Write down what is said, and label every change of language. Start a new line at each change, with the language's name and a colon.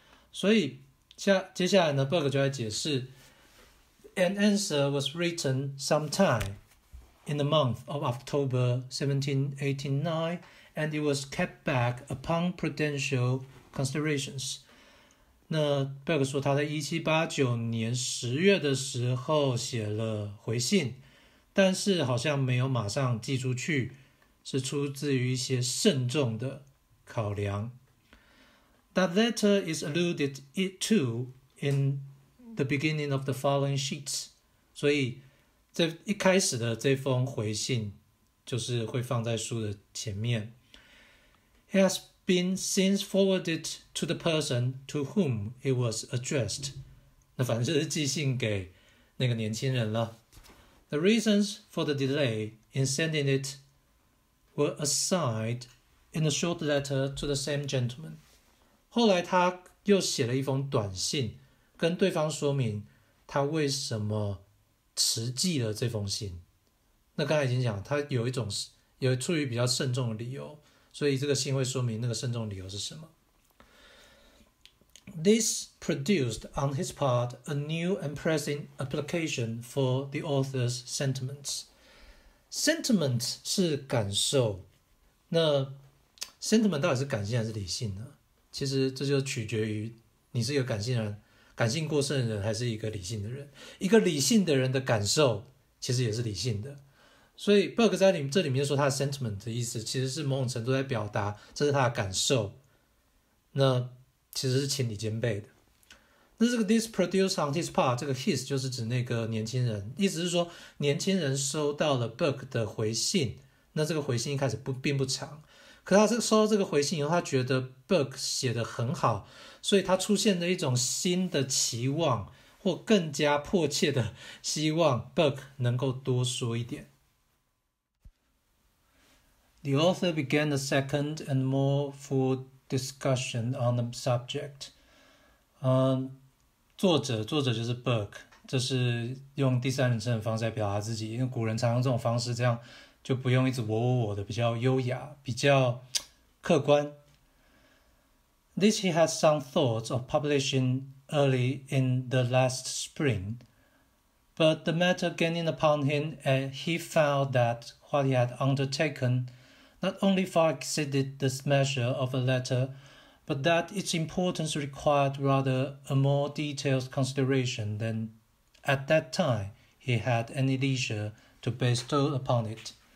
Chinese: 所以接下来呢 Burke 就来解释。
English: An answer was written sometime in the month of October 1789, and it was kept back upon prudential considerations.
Chinese: 那 Burke 说他在1789年10月的时候写了回信，但是好像没有马上寄出去，是出自于一些慎重的考量。
English: That letter is alluded to in the beginning of the following sheets.
Chinese: 所以这一开始的这封回信就是会放在书的前面。
English: It has been since forwarded to the person to whom it was addressed.
Chinese: 那反正就是寄信给那个年轻人了。
English: The reasons for the delay in sending it were assigned in a short letter to the same gentleman.
Chinese: 后来他又写了一封短信跟对方说明他为什么迟寄了这封信。那刚才已经讲他有一种有出于比较慎重的理由，所以这个信会说明那个慎重的理由是什么。
English: This produced on his part a new and pressing application for the author's sentiments.
Chinese: Sentiment 是感受，那 sentiment 到底是感性还是理性呢？其实这就取决于你是一个感性人，感性过剩的人还是一个理性的人，一个理性的人的感受其实也是理性的。所以 Burke 在这里面说他的 sentiment 的意思其实是某种程度在表达这是他的感受，那其实是情理兼备的。那这个
English: this produced on his part，
Chinese: 这个 his 就是指那个年轻人，意思是说年轻人收到了 Burke 的回信。那这个回信一开始并不长，可他收到这个回信以后，他觉得 Burke 写得很好，所以他出现了一种新的期望，或更加迫切的希望 Burke 能够多说一点。
English: The author began a second and more full discussion on the subject.
Chinese: 作者就是 Burke， 这是用第三人称的方式来表达自己，因为古人常用这种方式，这样就不用一直我的，比较优雅，比较客观。
English: This he has some thoughts of publishing early in the last spring, but the matter gaining upon him, and he found that what he had undertaken not only far exceeded the measure of a letter, but that its importance required rather a more detailed consideration than at that time he had any leisure to bestow upon it.